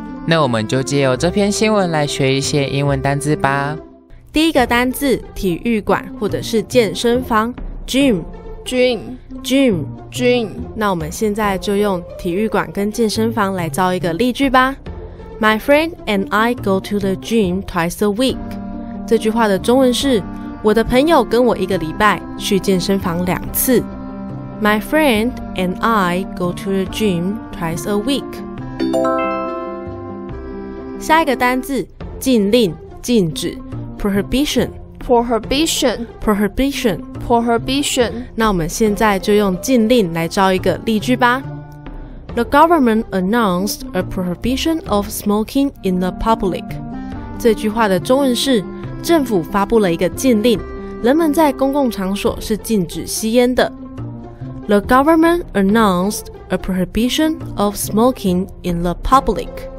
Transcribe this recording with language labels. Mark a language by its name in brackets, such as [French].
[Chinese] 那我们就借由这篇新闻来学一些英文单字吧。第一个单字，体育馆或者是健身房 ，gym。 [English] Gym, gym, gym。 [Chinese] 那我们现在就用体育馆跟健身房来造一个例句吧。 [English] My friend and I go to the gym twice a week。 [Chinese] 这句话的中文是：我的朋友跟我一个礼拜去健身房两次。 [English] My friend and I go to the gym twice a week。 [Chinese] 下一个单字，禁令、禁止 ，prohibition。 [English] Prohibition, prohibition, prohibition。 [Chinese] 那我们现在就用禁令来造一个例句吧。 [English] The government announced a prohibition of smoking in the public。 [Chinese] 这句话的中文是：政府发布了一个禁令，人们在公共场所是禁止吸烟的。 [English] The government announced a prohibition of smoking in the public。